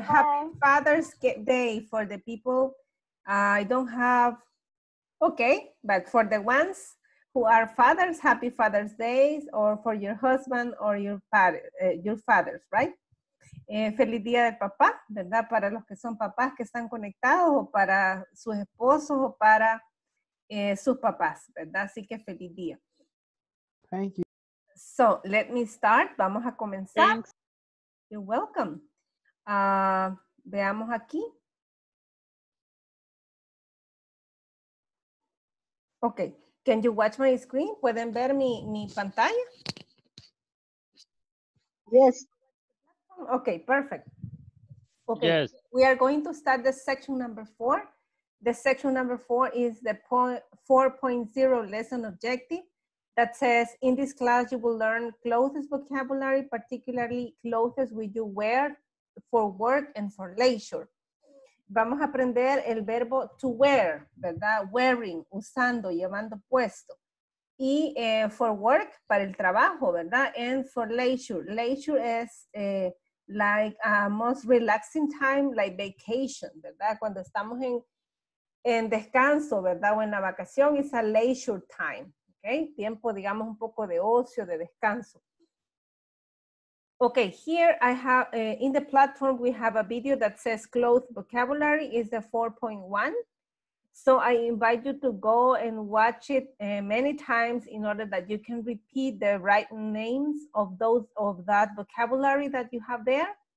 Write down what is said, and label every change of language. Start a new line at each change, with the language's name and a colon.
English: Happy Father's Day for the people I don't have. Okay, but for the ones who are fathers, happy Father's Day, or for your husband or your fathers, right?
Spanish: Feliz día de papá, ¿verdad? Para los que son papás que están conectados o para sus esposos o para sus papás, ¿verdad? Así que feliz día.
English: Thank you. So, let me start.
Spanish: Vamos a comenzar.
English: Thanks. You're welcome.
Spanish: Veamos aquí.
English: Okay. Can you watch my screen?
Spanish: ¿Pueden ver mi pantalla?
English: Yes. Okay, perfect. Okay, yes. We are going to start the section number four. The section number four is the 4.0 lesson objective that says, in this class, you will learn clothes vocabulary, particularly clothes we do wear for work and for leisure.
Spanish: Vamos a aprender el verbo to wear, ¿verdad? Wearing, usando, llevando puesto. Y
English: for work,
Spanish: para el trabajo, ¿verdad?
English: And for leisure. Leisure es like a most relaxing time, like vacation, ¿verdad?
Spanish: Cuando estamos en descanso, ¿verdad? O en la vacación,
English: it's a leisure time,
Spanish: ¿ok? Tiempo, digamos, un poco de ocio, de descanso.
English: Okay, here I have, in the platform, we have a video that says clothes vocabulary is the 4.1. So I invite you to go and watch it many times in order that you can repeat the right names of those of that vocabulary that you have there.